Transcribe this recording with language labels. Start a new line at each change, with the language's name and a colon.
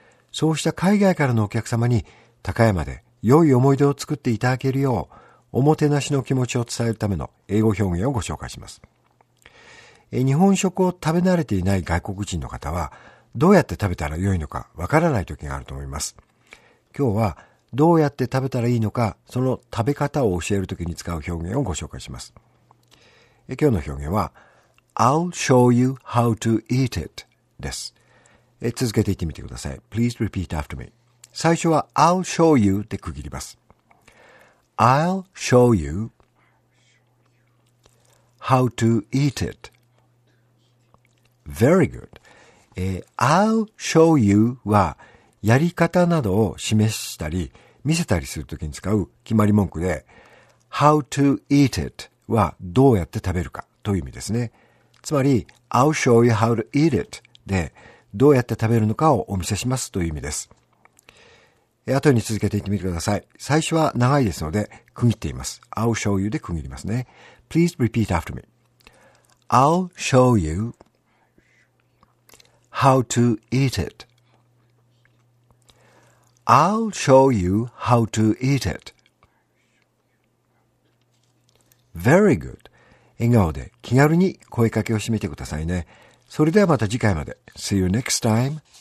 Japanese: そうした海外からのお客様に高山で良い思い出を作っていただけるよう、おもてなしの気持ちを伝えるための英語表現をご紹介します。日本食を食べ慣れていない外国人の方は、どうやって食べたら良いのかわからない時があると思います。今日は、どうやって食べたらいいのか、その食べ方を教えるときに使う表現をご紹介します。今日の表現は、
English: I'll show you how to eat it
Japanese: です。続けて言ってみてください。
English: Please repeat after me.
Japanese: 最初は
English: I'll show you
Japanese: で区切ります。
English: I'll show you how to eat it. Very good. I'll show you
Japanese: は、やり方などを示したり、見せたりするときに使う決まり文句で、
English: How to eat it
Japanese: はどうやって食べるかという意味ですね。つまり、
English: I'll show you how to eat it
Japanese: で、どうやって食べるのかをお見せしますという意味です。後に続けていってみてください。最初は長いですので、区切っています。
English: I'll show you
Japanese: で区切りますね。
English: Please repeat after me. I'll show you how to eat it. I'll show you how to eat it. Very good.
Japanese: 笑顔で気軽に声かけをしてみてくださいね。それではまた次回まで。
English: See you next time.